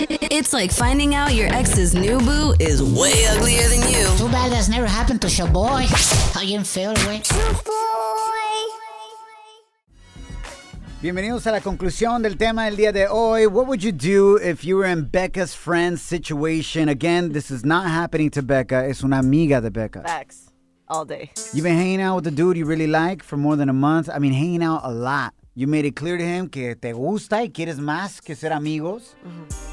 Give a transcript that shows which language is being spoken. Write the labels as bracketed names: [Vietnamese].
[English] It's like finding out your ex's new boo is way uglier than you. Too bad that's never happened to your boy. How you feel, boy? [Spanish] Bienvenidos a la conclusión del tema del día de hoy. [English] What would you do if you were in Becca's friend's situation? Again, this is not happening to Becca. Es una amiga de Becca. Facts. All day. You've been hanging out with the dude you really like for more than a month. I mean, hanging out a lot. [Spanish] You made it clear to him que te gusta y quieres más que ser amigos. Mm-hmm.